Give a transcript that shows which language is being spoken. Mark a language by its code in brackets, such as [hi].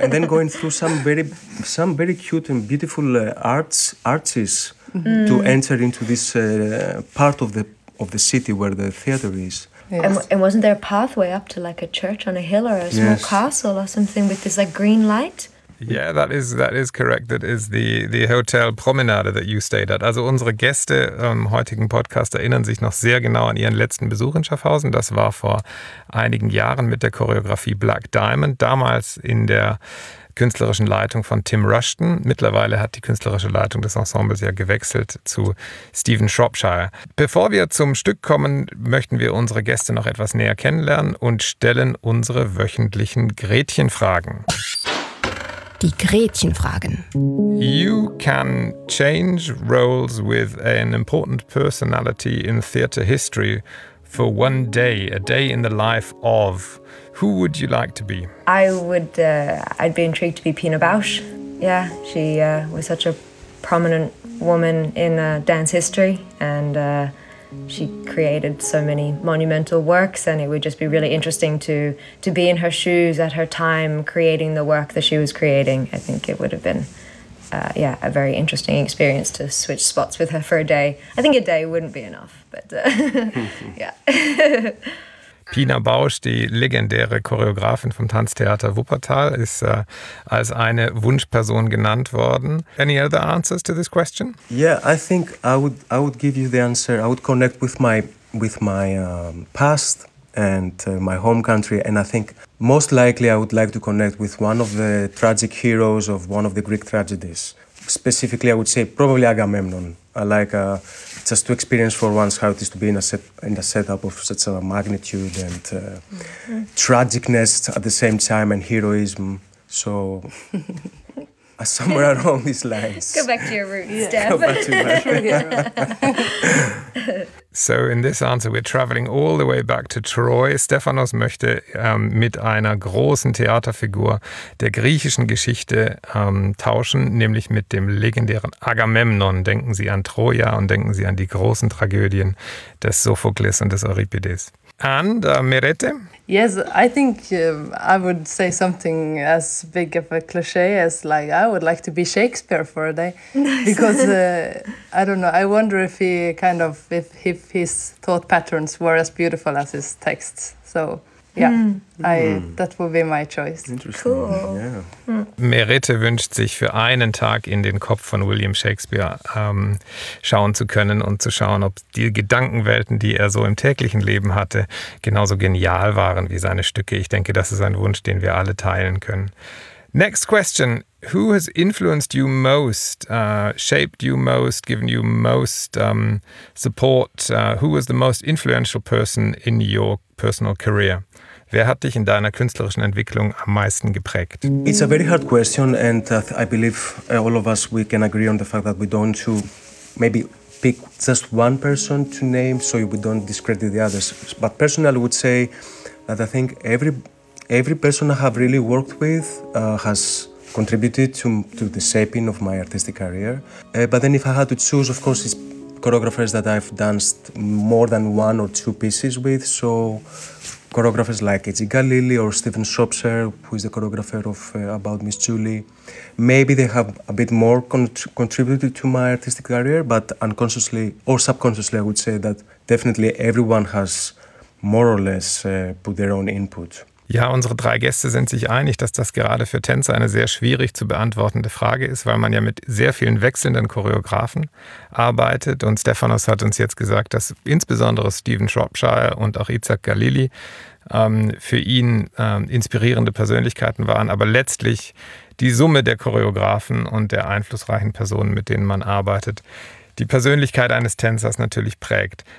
[en] And then going through some very cute and beautiful arches to enter into this part of the city where the theatre is. Yes. And wasn't there a pathway up to like a church on a hill or a small castle or something with this like green light? Yeah, that is correct. That is the Hotel Promenade that you stayed at. [de] Also unsere Gäste im heutigen Podcast erinnern sich noch sehr genau an ihren letzten Besuch in Schaffhausen. Das war vor einigen Jahren mit der Choreografie Black Diamond, damals in der künstlerischen Leitung von Tim Rushton. Mittlerweile hat die künstlerische Leitung des Ensembles ja gewechselt zu Stephen Shropshire. Bevor wir zum Stück kommen, möchten wir unsere Gäste noch etwas näher kennenlernen und stellen unsere wöchentlichen Gretchenfragen. Die Gretchenfragen. [en] You can change roles with an important personality in theater history for one day, a day in the life of. Who would you like to be? I would, I'd be intrigued to be Pina Bausch. Yeah, she was such a prominent woman in dance history, and she created so many monumental works, and it would just be really interesting to be in her shoes at her time creating the work that she was creating. I think it would have been a very interesting experience to switch spots with her for a day. I think a day wouldn't be enough, but yeah. [de] Pina Bausch, die legendäre Choreografin vom Tanztheater Wuppertal, ist als eine Wunschperson genannt worden. [en] Any other answers to this question? Yeah, I think I would give you the answer. I would connect with my past and my home country, and I think most likely I would like to connect with one of the tragic heroes of one of the Greek tragedies. Specifically, I would say probably Agamemnon. I like just to experience for once how it is to be in a setup of such a magnitude and tragicness at the same time and heroism. So somewhere along these lines. Go back to your roots, Steph. Go back to your So in this answer, we're traveling all the way back to Troy. [de] Stephanos möchte mit einer großen Theaterfigur der griechischen Geschichte tauschen, nämlich mit dem legendären Agamemnon. Denken Sie an Troja und denken Sie an die großen Tragödien des Sophokles und des Euripides. [en] And Merete? Yes, I think I would say something as big of a cliche as like I would like to be Shakespeare for a day. Nice. Because I don't know, I wonder if he kind of, if his thought patterns were as beautiful as his texts. So yeah, that would be my choice. Interesting. Cool. Yeah. [de] Merete wünscht sich für einen Tag in den Kopf von William Shakespeare schauen zu können und zu schauen, ob die Gedankenwelten, die er so im täglichen Leben hatte, genauso genial waren wie seine Stücke. Ich denke, das ist ein Wunsch, den wir alle teilen können. [en] Next question. Who has influenced you most, shaped you most, given you most support? Who was the most influential person in your personal career? [de] Wer hat dich in deiner künstlerischen Entwicklung am meisten geprägt? [en] It's a very hard question, and I believe all of us, we can agree on the fact that we don't to maybe pick just one person to name, so we don't discredit the others. But personally, I would say that I think every person I have really worked with has contributed to the shaping of my artistic career. But then if I had to choose, of course, it's choreographers that I've danced more than one or two pieces with. So choreographers like Edgy Galili or Stephen Shropshire, who is the choreographer of About Miss Julie. Maybe they have a bit more contributed to my artistic career, but unconsciously or subconsciously, I would say that definitely everyone has more or less put their own input. [de] Ja, unsere drei Gäste sind sich einig, dass das gerade für Tänzer eine sehr schwierig zu beantwortende Frage ist, weil man ja mit sehr vielen wechselnden Choreografen arbeitet. Und Stephanos hat uns jetzt gesagt, dass insbesondere Stephen Shropshire und auch Itzhak Galili für ihn inspirierende Persönlichkeiten waren, aber letztlich die Summe der Choreografen und der einflussreichen Personen, mit denen man arbeitet, die Persönlichkeit eines Tänzers natürlich prägt.